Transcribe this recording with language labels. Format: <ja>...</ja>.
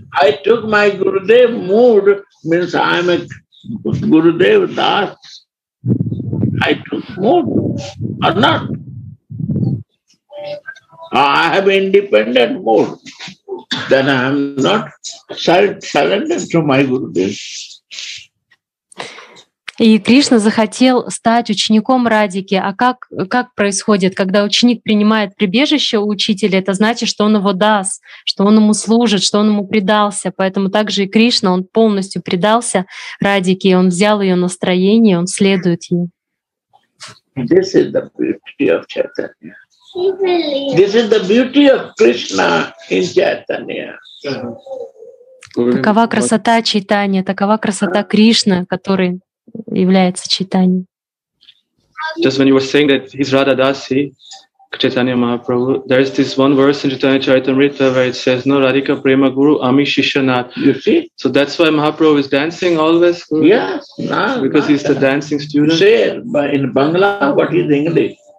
<en>I took my Gurudev mood, means I am a Gurudev Das. I took mood or not. I have independent mood. Then I am not surrendered to my Gurudev.</en> <ru>И Кришна захотел стать учеником Радики. А как происходит, когда ученик принимает прибежище у учителя, это значит, что он его дас, что он ему служит, что он ему предался. Поэтому также и Кришна, он полностью предался Радике, он взял ее настроение, он следует ей.</ru> <en>This is the beauty of Chaitanya. This is the beauty of Krishna in Chaitanya.</en> <ru>Такова красота Чайтанья, такова красота Кришны, который является Чайтанья.</ru> <en>Just when you were saying that he's Radha Dasi, Chaitanya Mahaprabhu, there is this one verse in Chaitanya Charitamrita where it says,</en> <bn>no Radhika Prema Guru Ami Shishanath.</bn> <en>You see? So that's why Mahaprabhu is dancing always? Guru? Yes. Nah, because he's the dancing student. Say it, but in Bangla, what is English?</en>